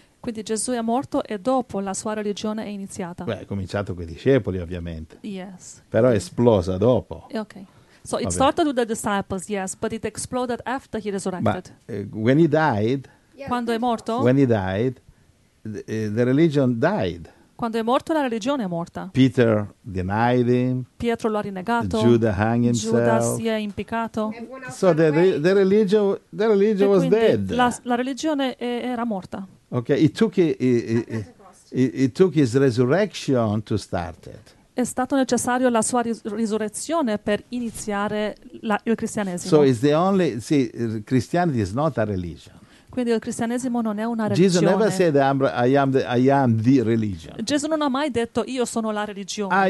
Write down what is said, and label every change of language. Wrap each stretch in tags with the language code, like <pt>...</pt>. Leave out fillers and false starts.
<it>Quindi Gesù è morto e dopo la sua religione è iniziata. Beh, è cominciato con i discepoli, ovviamente.</it> <en>Yes.</en> <it>Però è esplosa dopo.</it> <en>Okay. So it started with the disciples, yes, but it exploded after he resurrected. But, when he died,</en> <it>quando è morto?</it> <en>When he died, the religion died.</en> <it>Quando è morto, la religione è morta.</it> <en>Peter denied him.</en> <it>Pietro lo ha rinnegato.</it> <en>Judah hung himself.</en> <it>Judas si è impiccato.</it> <en>So the religion was dead.</en> <it>La religione era morta.</it> <en>Okay, it took his resurrection to start it.</en> <it>È stato necessario la sua risurrezione per iniziare il cristianesimo.</it> <en>So it's the only, see, Christianity is not a religion.</en> <it>Quindi il cristianesimo non è una</it> <en>Jesus</en> <it>religione.</it> <en>Never said I am the religion.</en> <it>Gesù non ha mai detto io sono la religione.</it>